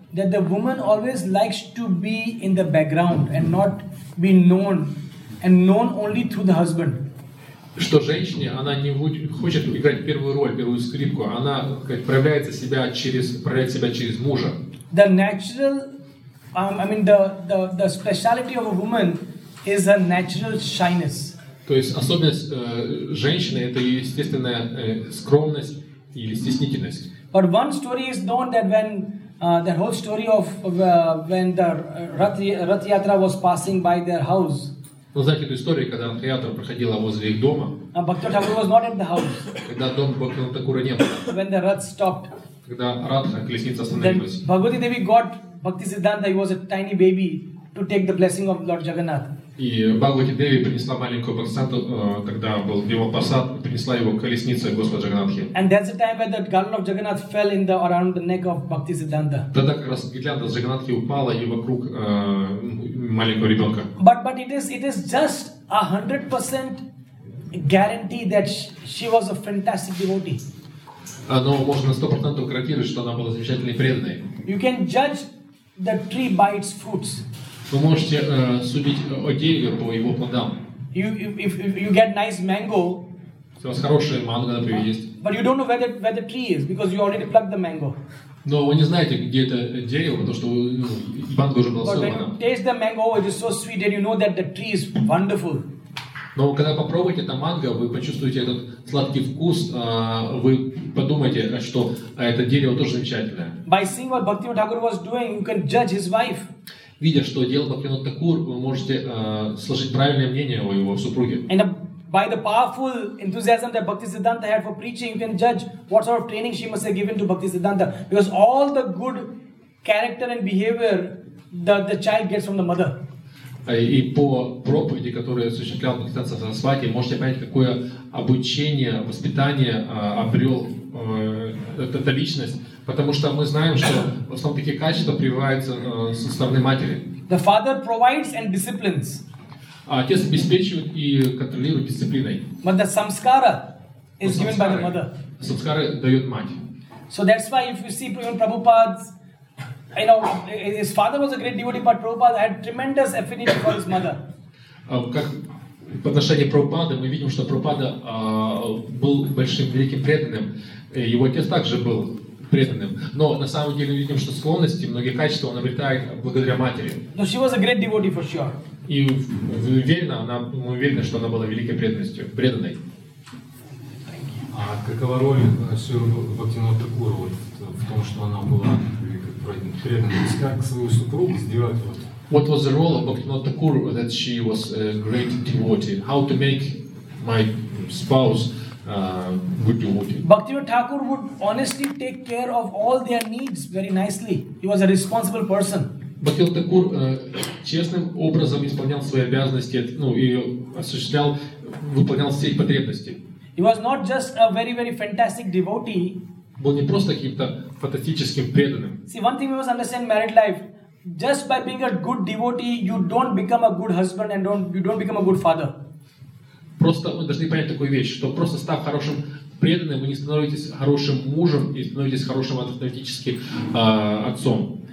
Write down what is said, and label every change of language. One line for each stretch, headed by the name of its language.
English: that the woman always likes to be in the background and not be known, and known only through the husband.
Russian: Что женщине, она не хочет играть первую роль, первую скрипку, она проявляет себя через мужа.
English: The natural, the speciality of a woman is her natural shyness.
Russian: То есть особенность женщины – это ее естественная скромность или стеснительность.
English: But one story is known that when the whole story of when the Rath Yatra was passing by their house.
Russian: Вы знаете эту историю, когда Рат Ятра проходила возле их дома?
English: Бхактивинода Такур was not at the house.
Russian: Когда дом Бхактивинода Такура не было.
English: When the Rath stopped.
Russian: Когда Ратха, колесница остановилась.
English: Бхагавати Деви got Бхакти Сиддханта, he was a tiny baby, to take the blessing of Lord Jagannath.
Russian: И Бхагавати Деви принесла маленького Бхагасанту, тогда был Вималпрасад, принесла его колесница Господа Джаганнатхи.
English: And that's the time when the garland of Jagannath fell in the around the neck of Bhakti Siddhanta.
Russian: Тогда как раз гирлянда Джаганнатхи упала и вокруг маленького ребенка.
English: But it is just 100% guarantee that she was a fantastic devotee.
Russian: Но можно 100% гарантировать, что она была замечательной преданной.
English: You can judge the tree by its fruits.
Russian: Вы можете судить о дереве по его плодам.
English: You get nice mango.
Russian: Если у вас хорошая манго, например, есть.
English: But you don't know where the tree is because you already plucked the mango.
Russian: Но вы не знаете, где это дерево, потому что манго уже было сорвано.
English: But when you taste the mango, it is so sweet that you know that the tree is wonderful.
Russian: Но когда попробуете это манго, вы почувствуете этот сладкий вкус, вы подумаете, что это дерево тоже замечательное.
English: By seeing what Bhaktivinoda Thakur was doing, you can judge his wife.
Russian: Видя, что делал Бхактивинода Такур, вы можете сложить правильное мнение о его супруге.
English: And by the powerful enthusiasm that Bhakti Siddhanta had for preaching, you can judge what sort of training she must have given to Bhakti Siddhanta. Because all the good character and behavior the child gets from the mother.
Russian: И по проповеди, которую осуществлял Бхактивинода Такур Сарасвати, можете понять, какое обучение, воспитание обрел эта личность. Потому что мы знаем, что в основном такие качества прививаются со стороны матери.
English: The father provides and disciplines.
Russian: Отец обеспечивает и контролирует дисциплиной.
English: But the samskara is given by the mother.
Russian: Самскары дает мать.
English: So that's why if you see even Prabhupada's, you know, his father was a great devotee, but Prabhupada had tremendous affinity for his mother.
Russian: Как по отношению к Прабхупаде, мы видим, что Прабхупада был большим, великим преданным. Его отец также был преданным. Но на самом деле мы видим, что склонности, многие качества он обретает благодаря матери.
English: No, she was a great devotee for sure.
Russian: И мы уверены, что она была великой преданностью, преданной. А какова роль Бхактивинода Такур в том, что она была преданной? То есть как свою супругу сделать вот?
English: What was the role of Bhaktivinoda Thakur that she was a great devotee? How to make my spouse a good devotee? Bhaktivinoda Thakur would honestly take care of all their needs very nicely. He was a responsible person.
Russian: Bhaktivinoda Thakur честным образом исполнял свои обязанности, ну и осуществлял, выполнял все их потребности.
English: He was not just a very, very fantastic devotee.
Russian: Был не просто каким-то фантастическим преданным.
English: See, one thing we must understand married life. Just by being a good devotee, you don't become a good husband and you don't become a good father.
Russian: Просто вы должны понять такую вещь, что просто став хорошим преданным, вы не становитесь хорошим мужем и становитесь хорошим автоматически отцом.